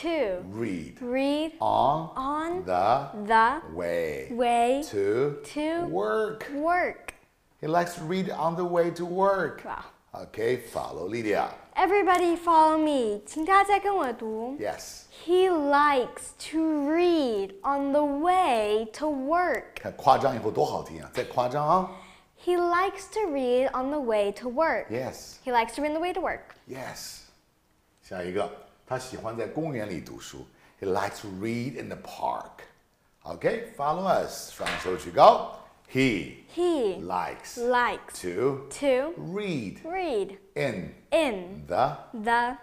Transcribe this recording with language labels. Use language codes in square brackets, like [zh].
[en] work. He likes to read on the way to work. Wow. Okay, follow Lydia. Everybody follow me. 请大家跟我读。 Yes. He likes to read on the way to work. [zh] 看夸张以后多好听啊，再夸张啊。 [en] He likes to read on the way to work. Yes. He likes to read on the way to work. Yes. [zh] 下一个，他喜欢在公园里读书。 [en] He likes to read in the park. Okay, follow us. 双手举高。 He likes to read in the